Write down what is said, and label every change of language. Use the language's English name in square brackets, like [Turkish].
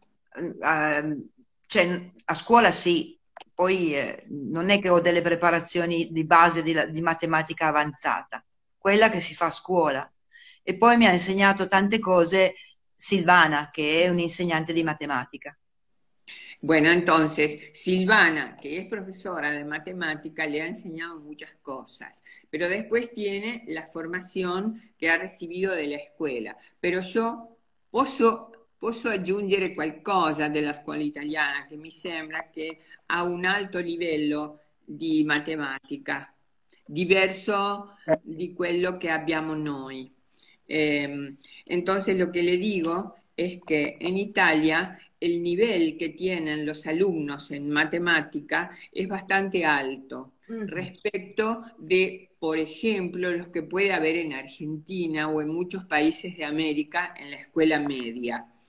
[Italian] Cioè, a scuola sì, poi non è che ho delle preparazioni di base di matematica avanzata, quella che si fa a scuola. E poi mi ha insegnato tante cose Silvana, che è un'insegnante di matematica. [Spanish] Bueno, entonces, Silvana, que es profesora de matemática, le ha enseñado muchas cosas, pero después tiene la formación que ha recibido de la escuela. Pero yo [Italian] posso aggiungere qualcosa della scuola italiana che mi sembra che ha un alto livello di matematica, diverso di quello che abbiamo noi. [Spanish] Entonces, lo che le digo es que en Italia el nivel que tienen los alumnos en matemática es bastante alto respecto de, por ejemplo, los que puede haber en Argentina o en muchos países de América en la escuela media.